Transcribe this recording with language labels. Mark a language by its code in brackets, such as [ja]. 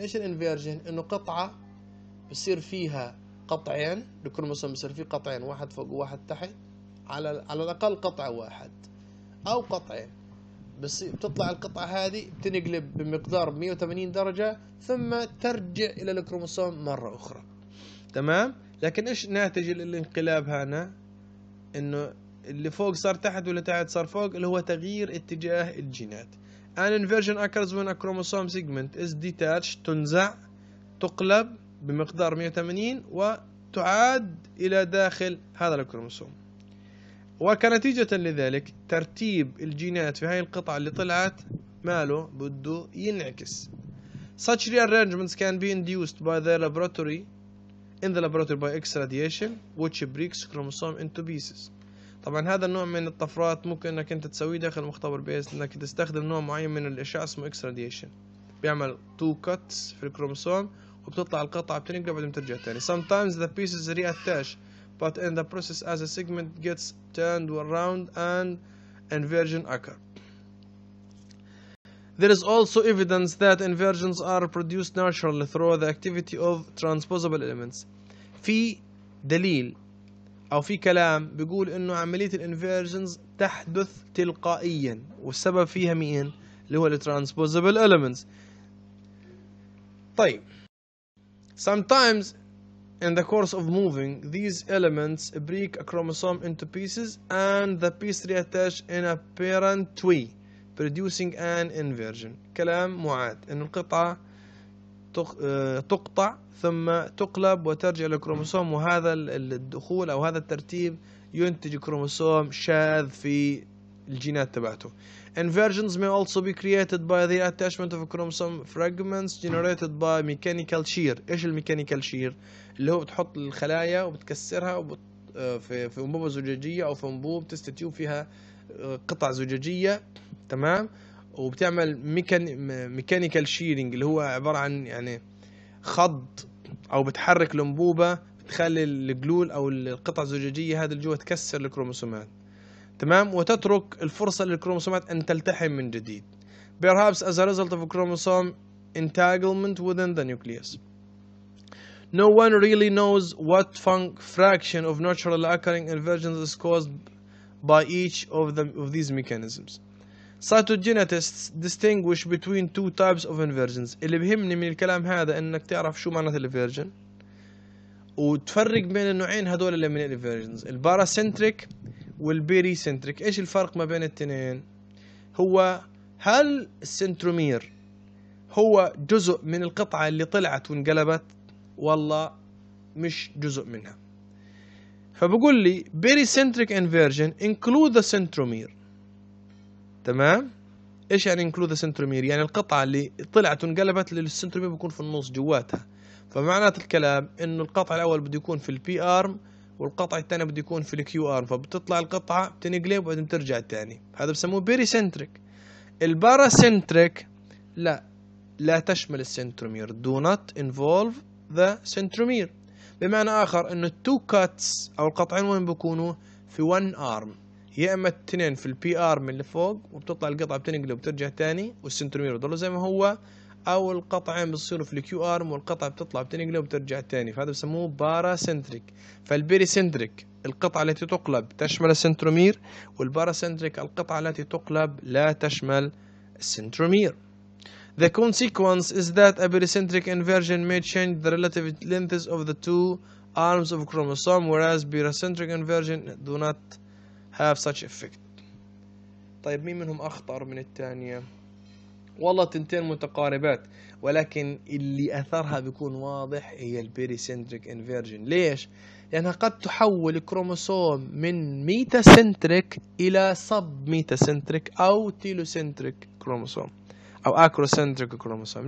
[ar] ايش الانفيرجن؟ انه قطعة بصير فيها قطعين، الكروموسوم بصير فيه قطعين، واحد فوق وواحد تحت، على الاقل قطعة واحد او قطعين، بس بتطلع القطعة هذه بتنقلب بمقدار 180 درجة ثم ترجع الى الكروموسوم مرة اخرى، تمام؟ لكن ايش ناتج الانقلاب هنا؟ انه اللي فوق صار تحت واللي تحت صار فوق، اللي هو تغيير اتجاه الجينات. [en] An inversion occurs when a chromosome segment is detached، [ar] تنزع تقلب بمقدار 180 وتعاد الى داخل هذا الكروموسوم. وكنتيجة لذلك ترتيب الجينات في هاي القطعة اللي طلعت ماله بده ينعكس. [en] Such rearrangements can be induced by the laboratory in the laboratory by X-radiation which breaks chromosome into pieces. [ar] طبعا هذا النوع من الطفرات ممكن انك انت تسويه داخل المختبر بيس، انك تستخدم نوع معين من الاشعة اسمه X-radiation، بيعمل 2 cuts في الكروموسوم وبتطلع القطعة بتنقلب بعدين ترجع تاني. [en] Sometimes the pieces reattach but in the process as a segment gets turned around and inversion occur. There is also evidence that inversions are produced naturally through the activity of transposable elements. [ar] في دليل او في كلام بيقول انه عملية الانفيرجنز تحدث تلقائيا، والسبب فيها مين؟ اللي هو الترانسبوزابل elements. [en] طيب sometimes in the course of moving these elements break a chromosome into pieces and the piece reattach in a parent way producing an inversion. [ar] كلام معاد ان القطعة تقطع ثم تقلب وترجع للكروموسوم، وهذا الدخول او هذا الترتيب ينتج كروموسوم شاذ في الجينات تبعته. [en] Inversions may also be created by the attachment of chromosome fragments generated by mechanical shear. [ar] ايش الميكانيكال شير؟ اللي هو بتحط الخلايا وبتكسرها في انبوبة زجاجية او في انبوب تستتيوب فيها قطع زجاجية، تمام؟ وبتعمل ميكانيكال شيرينج اللي هو عبارة عن يعني خض او بتحرك الانبوبة بتخلي الجلول او القطع الزجاجية هذه اللي جوا تكسر الكروموسومات، تمام؟ وتترك الفرصة للكروموسومات ان تلتحم من جديد. [en] Perhaps as a result of a chromosome entanglement within the nucleus. No one really knows what fraction of natural occurring inversions is caused by each of these mechanisms. Cytogenetists distinguish between two types of inversions. [ar] اللي بهمني من الكلام هذا انك تعرف شو معنى الانفيرجن وتفرق بين النوعين هذول اللي من الانفيرجنز، الباراسنتريك والبيريسنتريك. ايش الفرق ما بين التنين؟ هو هل السنترومير هو جزء من القطعة اللي طلعت وانقلبت، والله مش جزء منها. فبقول لي [en] pericentric inversion include the centromere. [ar] تمام؟ ايش يعني [en] include the centromere؟ [ar] يعني القطعة اللي طلعت وانقلبت للسنتروميير بكون في النص جواتها. فمعنات الكلام انه القطع الاول بده يكون في البي ارم والقطع الثاني بده يكون في الكيو ارم، فبتطلع القطعة بتنقلب وبعدين ترجع الثاني، هذا بسموه pericentric. الباراسنتريك لا، لا تشمل السنتروميير، [en] do not involve the centromere. [ar] بمعنى اخر انه التو كاتس او القطعين وين بيكونوا؟ في وان ارم، يا اما التنين في البي ارم اللي فوق وبتطلع القطعه بتنقلب وبترجع تاني والسنتروميير بضل زي ما هو، او القطعين بتصيروا في الكيو ارم والقطعه بتطلع بتنقلب وبترجع تاني، فهذا بسموه باراسنتريك. فالبيريسنتريك القطعه التي تقلب تشمل السنتروميير، والباراسنتريك القطعه التي تقلب لا تشمل السنتروميير. [en] The consequence is that a pericentric inversion may change the relative lengths of the two arms of chromosome, whereas paracentric inversion do not have such effect. [ar] طيب مين منهم أخطر من الثانية؟ والله تنتين متقاربات، ولكن اللي أثرها بيكون واضح هي pericentric inversion. ليش؟ لأنها قد تحول الكروموسوم من ميتاسنتريك إلى سب ميتاسنتريك أو تيلوسنتريك كروموسوم او acrocentric كروموسوم.